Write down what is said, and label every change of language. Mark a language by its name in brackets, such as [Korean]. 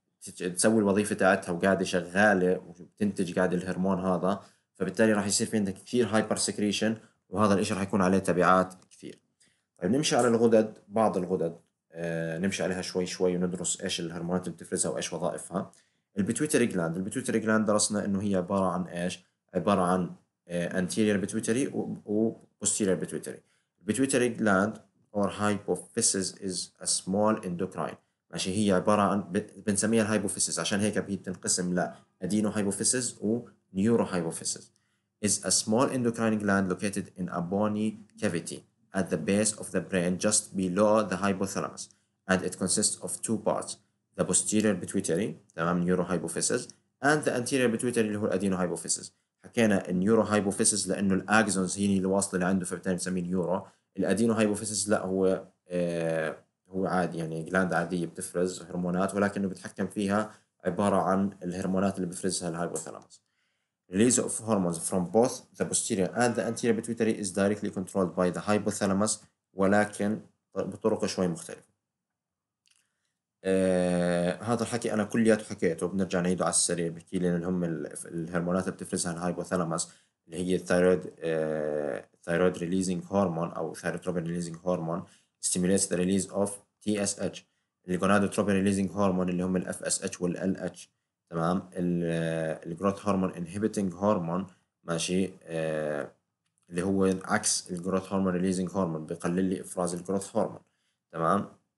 [Arabic] تسوي الوظيفة تاعتها وقاعدة شغالة وبتنتج قاعد الهرمون هذا، فبالتالي راح يصير في عندك كثير هايبر سكريشن، وهذا الإشي راح يكون عليه تبعات كثير. طيب نمشي على الغدد، بعض الغدد نمشي عليها شوي شوي وندرس إيش الهرمونات اللي بتفرزها وإيش وظائفها. البيتويتري جلاند، البيتويتري جلاند درسنا إنه هي عبارة عن إيش، عبارة عن anterior pituitary و posterior pituitary. [English] Pituitary gland or hypophysis is a small endocrine. [Arabic] ماشي، هي عبارة عن بنسميها الهايبوفيسس، عشان هيك هي بتنقسم ل adeno hypophysis و neuro hypophysis. [English] Is a small endocrine gland located in a bony cavity at the base of the brain just below the hypothalamus. And it consists of two parts. The posterior pituitary, تمام، neuro hypophysis. And the anterior pituitary [Arabic] اللي هو [English] adeno hypophysis. [Arabic] حكينا النيورو هايبوفيسس لانه الاكزونز هي اللي واصله لعنده، فبالتالي بنسميه نيورو. الادينو هايبوفيسس لا، هو هو عادي يعني جلاند عاديه بتفرز هرمونات، ولكنه بتحكم فيها عباره عن الهرمونات اللي بفرزها الهايبوثالامس. [English] Release of hormones from both the posterior and the anterior pituitary is directly controlled by the hypothalamus، [Arabic] ولكن بطرق شوي مختلفه. هذا الحكي انا كلياته حكيته، بنرجع نعيده على السريع، بحكي لنا هم الهرمونات اللي بتفرزها الهايبوثالامس اللي هي الثايرويد، ثايرويد ريليزنج هرمون او ثايروتروبين ريليزنج هرمون [English] stimulates the release of T S H, [Arabic] الجونادوتروبين ريليزنج هرمون اللي هم الاف اس اتش والال اتش، تمام، الجروث هرمون انهبيتنج هرمون، ماشي، اللي هو عكس الجروث هرمون ريليزنج هرمون، بقلل لي افراز الجروث هرمون، تمام.